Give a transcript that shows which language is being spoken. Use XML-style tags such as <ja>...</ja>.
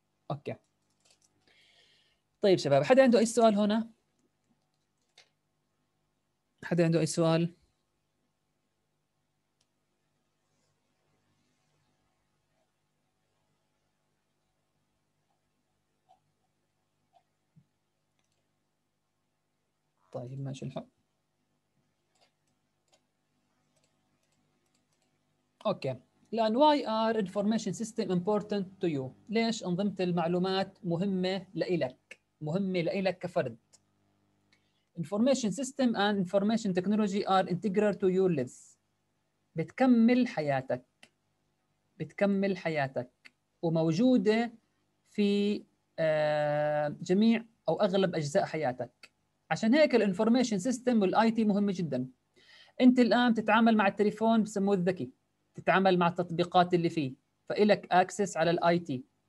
<ar>أوكي طيب شباب، حد عنده أي سؤال هنا؟ حد عنده أي سؤال؟ طيب ماشي الحال. أوكي. لأن</ar> <en>why are information system important to you؟</en> <ar>ليش أنظمة المعلومات مهمة لإلك؟ مهمة لإلك كفرد.</ar> <en>Information system and information technology are integral to your lives.</en> <ar>بتكمل حياتك. بتكمل حياتك. وموجودة في جميع أو أغلب أجزاء حياتك. عشان هيك الـ information system والـ IT مهمة جدا. أنت الآن تتعامل مع التليفون بسموه الذكي. تتعامل مع التطبيقات اللي فيه. فإلك access على الـ IT.</ar>